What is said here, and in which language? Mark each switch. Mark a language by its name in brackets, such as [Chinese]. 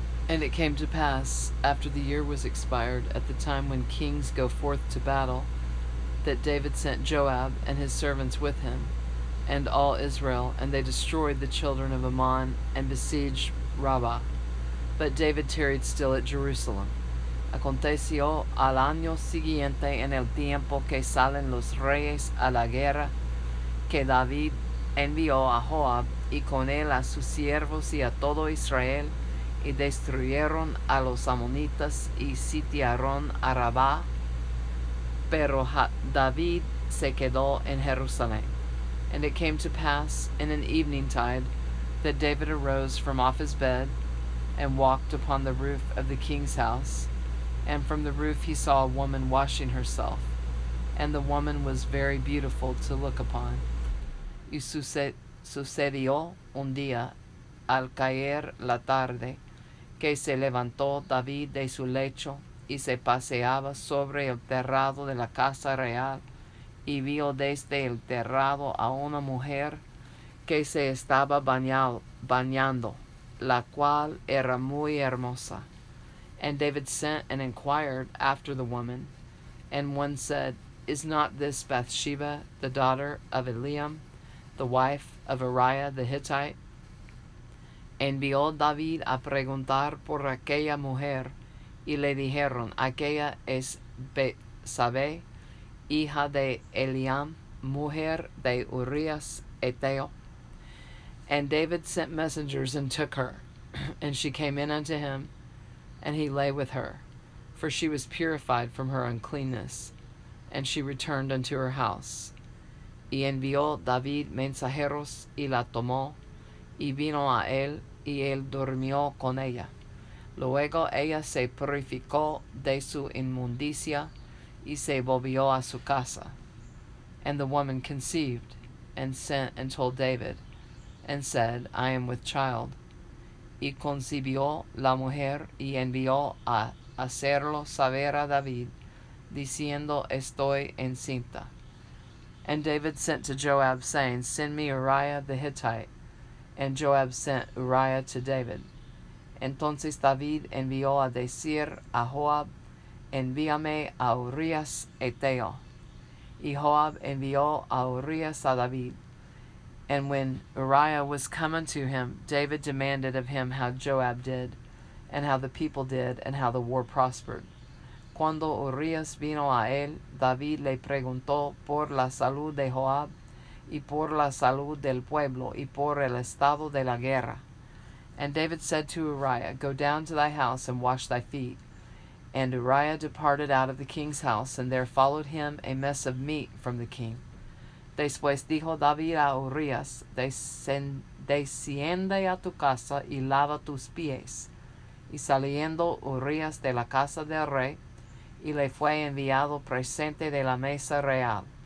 [English] And it came to pass, after the year was expired, at the time when kings go forth to battle, that David sent Joab and his servants with him, and all Israel, and they destroyed the children of Ammon and besieged Rabbah. But David tarried still at Jerusalem. [Spanish] Aconteció al año siguiente, en el tiempo que salen los reyes a la guerra, que David envió a Joab y con él a sus siervos y a todo Israel, y destruyeron a los amonitas y sitiaron a Rabá, pero David se quedó en Jerusalén. [English] And it came to pass in an evening tide that David arose from off his bed and walked upon the roof of the king's house, and from the roof he saw a woman washing herself, and the woman was very beautiful to look upon. [Spanish] Y sucedió un día, al caer la tarde, que se levantó David de su lecho y se paseaba sobre el terrado de la casa real, y vio desde el terrado a una mujer que se estaba bañando, la cual era muy hermosa. [English] And David sent and inquired after the woman, and one said, "Is not this Bathsheba, the daughter of Eliam, the wife of Uriah the Hittite?" [Spanish] Envió David a preguntar por aquella mujer, y le dijeron, aquella es Betsabé, hija de Eliam, mujer de Urias Eteo. [English] And David sent messengers and took her, and she came in unto him, and he lay with her, for she was purified from her uncleanness, and she returned unto her house. [Spanish] Y envió David mensajeros, y la tomó, y vino a él, y él durmió con ella. Luego ella se purificó de su inmundicia y se volvió a su casa. [English] And the woman conceived and sent and told David and said, "I am with child." [Spanish] Y concibió la mujer y envió a hacerlo saber a David diciendo, "Estoy encinta." [English] And David sent to Joab saying, "Send me Uriah the Hittite." And Joab sent Uriah to David. [Spanish] Entonces David envió a decir a Joab, "Envíame a Urias Eteo." Y Joab envió a Urias a David. [English] And when Uriah was come unto him, David demanded of him how Joab did, and how the people did, and how the war prospered. [Spanish] Cuando Urias vino a él, David le preguntó por la salud de Joab, y por la salud del pueblo, y por el estado de la guerra. [English] And David said to Uriah, "Go down to thy house and wash thy feet." And Uriah departed out of the king's house, and there followed him a mess of meat from the king. [Spanish] Después dijo David a Urias, "Desciende a tu casa y lava tus pies." Y saliendo Urias de la casa del rey, y le fue enviado presente de la mesa real.